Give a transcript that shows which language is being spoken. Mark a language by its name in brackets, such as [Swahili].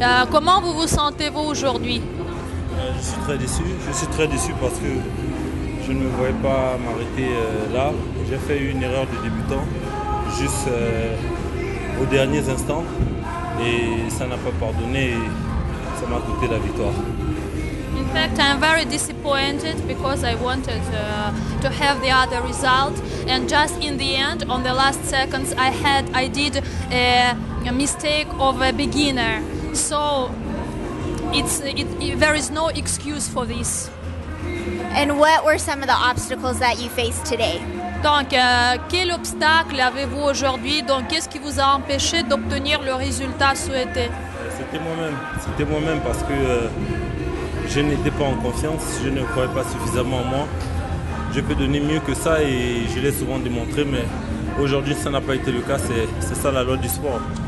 [French] Comment vous vous sentez-vous aujourd'hui? Je suis très déçu. Je suis très déçu parce que je ne voulais pas m'arrêter là. J'ai fait une erreur de débutant juste aux derniers instants et ça n'a pas pardonné. Ça m'a coûté la victoire. [English] In fact, I'm very disappointed because I wanted to have the other result, and just in the end, on the last seconds, I did a mistake of a beginner. So there is no excuse for this. And what were some of the obstacles that you faced today? [French] Donc, quel obstacle avez-vous aujourd'hui? Donc, qu'est-ce qui vous a empêché d'obtenir le résultat souhaité? C'était moi-même parce que je n'étais pas en confiance, je ne croyais pas suffisamment en moi. Je peux donner mieux que ça et je l'ai souvent démontré, mais aujourd'hui ça n'a pas été le cas, c'est ça la loi du sport.